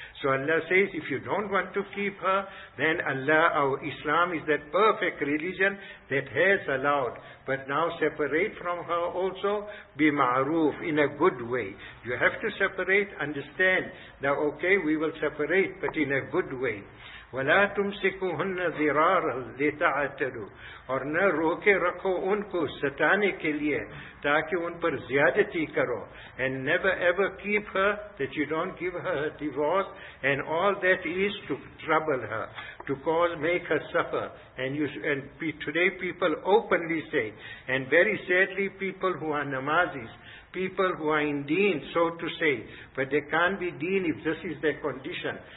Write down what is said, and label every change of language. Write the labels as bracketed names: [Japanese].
[English] So Allah says, if you don't want to keep her, then Allah, our Islam is that perfect religion that has allowed. But now separate from her also, be ma'roof, in a good way. You have to separate, understand. Now okay, we will separate, but in a good way. [Arabic] وَلَا تُمْسِكُهُنَّ ذِرَارًا لِتَعَتَلُوا [Urdu] اور نہ روکے رکھو ان کو ستانے کے لئے تاکہ ان پر زیادتی کرو. [English] And never ever keep her, that you don't give her a divorce, and all that is to trouble her, to cause, make her suffer. And today people openly say, and very sadly people who are namazis, people who are in deen, so to say, but they can't be deen if this is their condition.